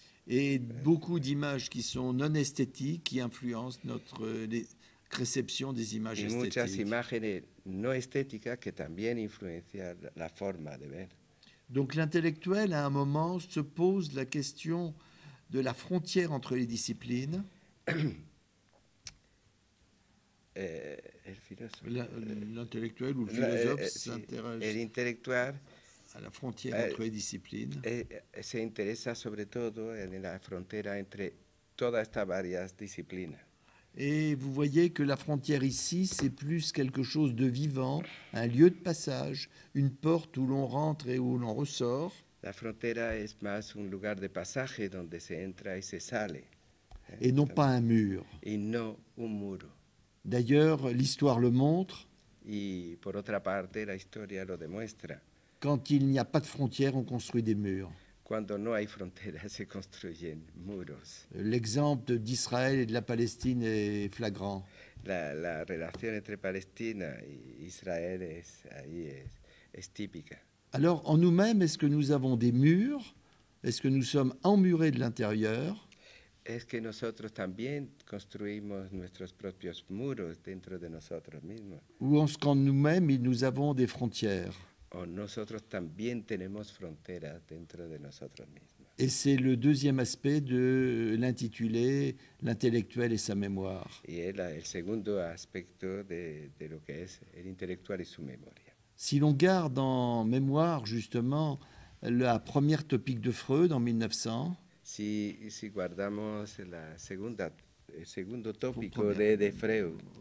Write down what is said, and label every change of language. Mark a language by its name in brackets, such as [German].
[French] Et beaucoup d'images qui sont non esthétiques qui influencent notre réception des images esthétiques. [Spanish] Y muchas imágenes no estéticas que también influencian la forma de ver. [French] Donc l'intellectuel, à un moment, se pose la question de la frontière entre les disciplines. L'intellectuel ou le philosophe s'intéresse [Spanish] el intelectual, [French] à la frontière entre les disciplines. [Spanish] Se interesa sobre todo en la frontera entre todas estas varias disciplines. [French] Et vous voyez que la frontière ici, c'est plus quelque chose de vivant, un lieu de passage, une porte où l'on rentre et où l'on ressort. [Spanish] La frontera es más un lugar de pasaje donde se entra y se sale. [French] Et non pas un mur. [Spanish] Y no un muro. [French] D'ailleurs, l'histoire le montre. [Spanish] Y por otra parte, la historia lo demuestra. [French] Quand il n'y a pas de frontière, on construit des murs. [Spanish] Cuando no hay fronteras, se construyen muros. [French] L'exemple d'Israël et de la Palestine est flagrant. [Spanish] La relación entre Palestina y Israel es típica. [French] Alors, en nous-mêmes, est-ce que nous avons des murs? Est-ce que nous sommes emmurés de l'intérieur? [Spanish] Es que nosotros también construimos nuestros propios muros dentro de nosotros mismos. [French] Ou est-ce qu'en nous-mêmes, nous avons des frontières? [Spanish] Nosotros también tenemos fronteras dentro de nosotros mismos. [French] Et c'est le deuxième aspect de l'intitulé l'intellectuel et sa mémoire. [Spanish] Y es el segundo aspecto de lo que es el intelectual y su memoria. [French] Si l'on garde en mémoire justement la première topique de Freud en 1900. [Spanish] Si guardamos la segunda el segundo tópico primera, de Freud.